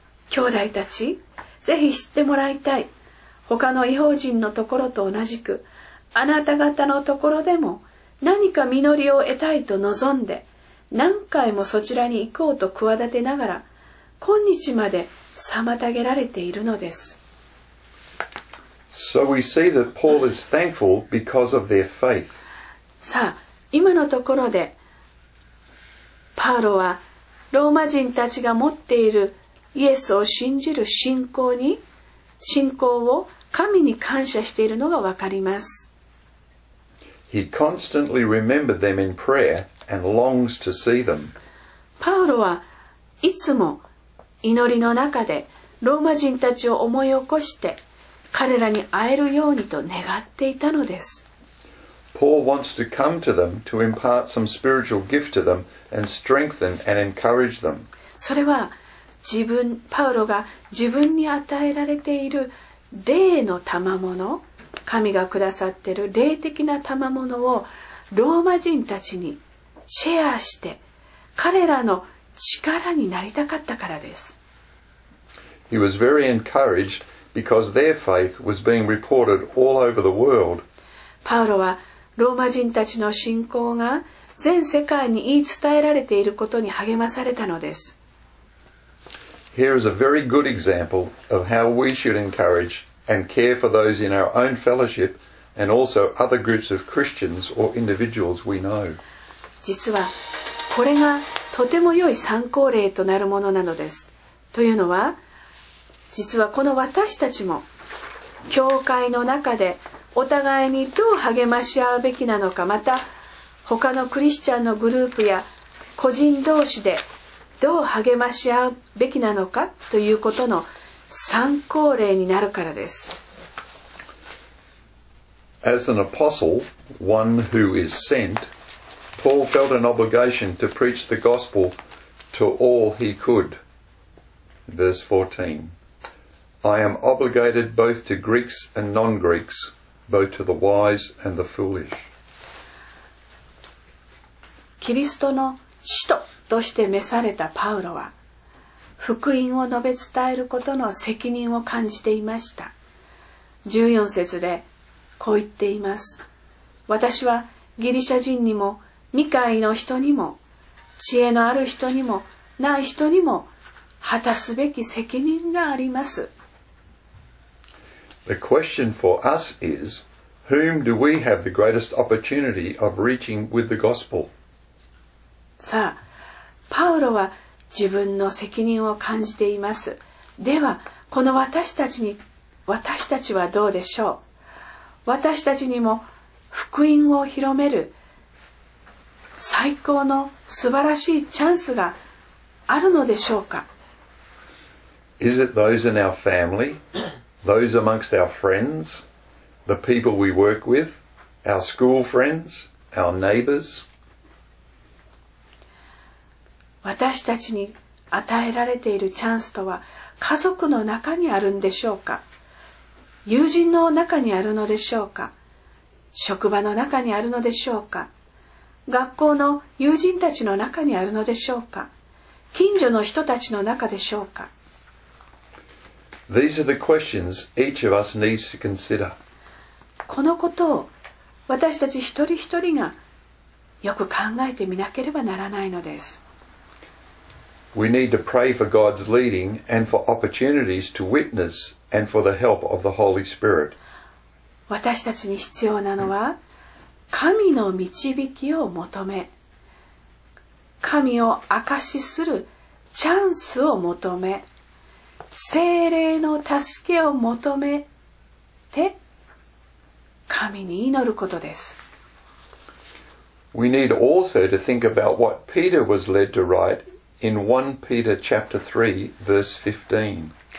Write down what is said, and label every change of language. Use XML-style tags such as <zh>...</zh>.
<ja>兄弟たち、ぜひ知ってもらいたい。他の異邦人のところと同じく、あなた方のところでも何か実りを得たいと望んで、何回もそちらに行こうと企てながら、今日まで妨げられているのです。</ja> <en>So we see that Paul is thankful because of their faith.</en> <ja>さあ、今のところで、パウロはローマ人たちが持っているイエスを信じる信仰を神に感謝しているのがわかります。</ja> <en>He constantly remembered them in prayer. And longs to see them.</en> <ja>パウロはいつも祈りの中でローマ人たちを思い起こして彼らに会えるようにと願っていたのです。</ja> <en>Paul wants to come to them to impart some spiritual gift to them and strengthen and encourage them.</en> <ja>それは自分、パウロが自分に与えられている霊の賜物、神がくださっている霊的な賜物をローマ人たちにシェアして彼らの力になりたかったからです。</ja> <en>He was very encouraged because their faith was being reported all over the world.</en> <ja>パウロはローマ人たちの信仰が全世界に言い伝えられていることに励まされたのです。</ja> <en>Here is a very good example of how we should encourage and care for those in our own fellowship and also other groups of Christians or individuals we know.</en> <ja>実はこれがとても良い参考例となるものなのです。というのは、実はこの私たちも教会の中でお互いにどう励まし合うべきなのか、また他のクリスチャンのグループや個人同士でどう励まし合うべきなのかということの参考例になるからです。</ja> <en>As an apostle, one who is sent, Paul felt an obligation to preach the gospel to all he could. Verse 14. I am obligated both to Greeks and non-Greeks. Both to the wise and the foolish.</en> <ja>キリストの使徒として召されたパウロは福音を述べ伝えることの責任を感じていました。 14節でこう言っています。私はギリシャ人にも未開の人にも知恵のある人にもない人にも果たすべき責任があります。</ja> <en>The question for us is, whom do we have the greatest opportunity of reaching with the gospel?</en> <ja>さあ、パウロは自分の責任を感じています。では、この私たちはどうでしょう？私たちにも福音を広める最高の素晴らしいチャンスがあるのでしょうか？</ja> <en>Is it those in our family? Those amongst our friends, the people we work with, our school friends, our neighbors.</en> <ja>私たちに与えられているチャンスとは家族の中にあるんでしょうか？友人の中にあるのでしょうか？職場の中にあるのでしょうか？学校の友人たちの中にあるのでしょうか？近所の人たちの中でしょうか？</ja> <en>These are the questions each of us needs to consider.</en> <ja>このことを私たち一人一人がよく考えてみなければならないのです。</ja> <en>We need to pray for God's leading and for opportunities to witness and for the help of the Holy Spirit.</en> <ja>私たちに必要なのは神の導きを求め、神を証しするチャンスを求め、聖霊の助けを求めて神に祈ることです。</ja> <en>We need also to think about what Peter was led to write in 1 Peter chapter 3 verse 15.</en>